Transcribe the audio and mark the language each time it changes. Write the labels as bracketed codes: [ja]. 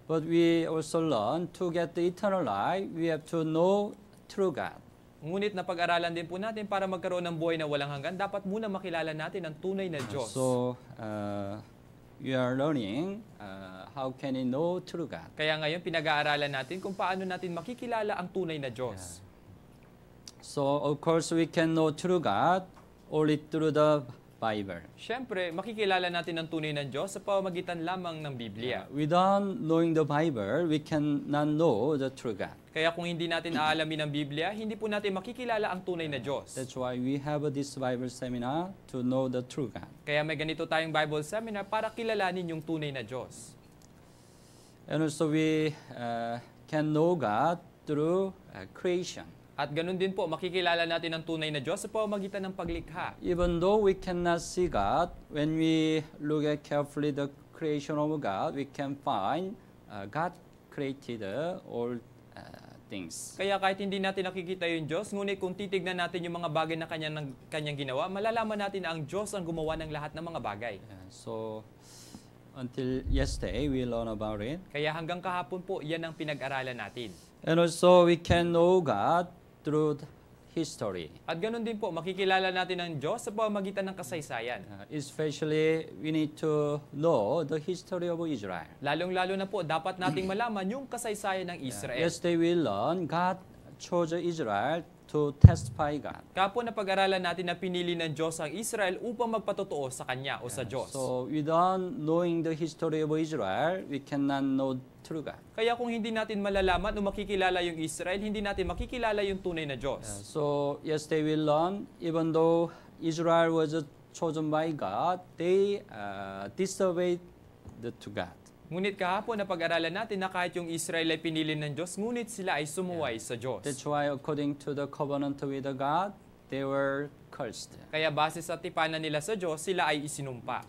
[en] But we also learn to get the eternal life, we have to know true God. [tl] Ngunit napag-aralan din po natin para magkaroon ng buhay na walang hanggan, dapat muna makilala natin ang tunay na Diyos. [en] So, we are learning how can we know true God. [tl] Kaya ngayon, pinag-aaralan natin kung paano natin makikilala ang tunay na Diyos. [en] Yeah. So, of course, we can know true God only through the Bible. [tl] Siyempre, makikilala natin ang tunay ng Diyos sa pamamagitan lamang ng Biblia. [en] Without knowing the Bible, we cannot know the true God. [tl] Kaya kung hindi natin aalamin ang Biblia, hindi po natin makikilala ang tunay na Diyos. [en] That's why we have this Bible seminar to know the true God. [tl] Kaya may ganito tayong Bible seminar para kilalanin yung tunay na Diyos. [en] And also we can know God through creation. [tl] At ganun din po, makikilala natin ang tunay na Diyos sa pamamagitan ng paglikha. [en] Even though we cannot see God, when we look at carefully the creation of God, we can find God created all things. [tl] Kaya kahit hindi natin nakikita yung Diyos, ngunit kung titignan natin yung mga bagay na kanyang ginawa, malalaman natin na ang Diyos ang gumawa ng lahat ng mga bagay. [en] So, until yesterday, we learned about it. [tl] Kaya hanggang kahapon po, yan ang pinag-aralan natin. [en] And also, we can know God through history. [tl] At ganun din po, makikilala natin ang Diyos sa pamamagitan ng kasaysayan. [en] Especially, we need to know the history of Israel. [tl] Lalong-lalo na po, dapat nating malaman yung kasaysayan ng Israel. [en] Yesterday, we learned God chose Israel to testify God. [tl] Kahapon na pag-aralan natin na pinili ng Diyos ang Israel upang magpatotoo sa Kanya o sa Diyos. [en] So, without knowing the history of Israel, we cannot know true God. [tl] Kaya kung hindi natin malalaman o makikilala yung Israel, hindi natin makikilala yung tunay na Diyos. [en] So, yesterday we learned, even though Israel was chosen by God, they disobeyed to God. [tl] Ngunit kahapon na pag-aralan natin na kahit yung Israel ay pinili ng Diyos, ngunit sila ay sumuway sa Diyos. [en] That's why according to the covenant with the God, they were cursed. [tl] Kaya base sa tipanan nila sa Diyos, sila ay isinumpa.